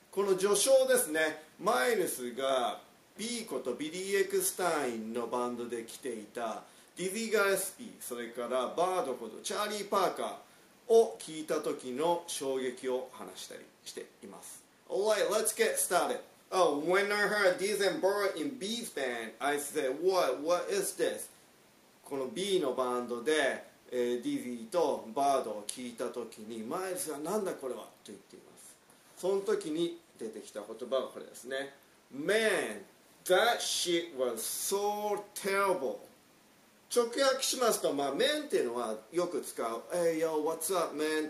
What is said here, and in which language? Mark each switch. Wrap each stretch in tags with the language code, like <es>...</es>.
<ja>この序章ですね、マイルスがビーコとビリー・エクスタインのバンドで来ていたディディ・ガレスピー、それからバードことチャーリー・パーカーを聞いた時の衝撃を話したりしています。</ja> <en>Alright, let's get started. Oh, when I heard Diz and Bird in B's band, I said, what is this?</en> <ja>この B のバンドでディディとバードを聞いた時にマイルスはなんだこれはと言っています。その時に出てきた言葉がこれですね。</ja> <en>Man, that shit was so terrible.</en> <ja>直訳しますと、まあ、Man っていうのはよく使う</ja> <en>Hey yo, what's up man?</en>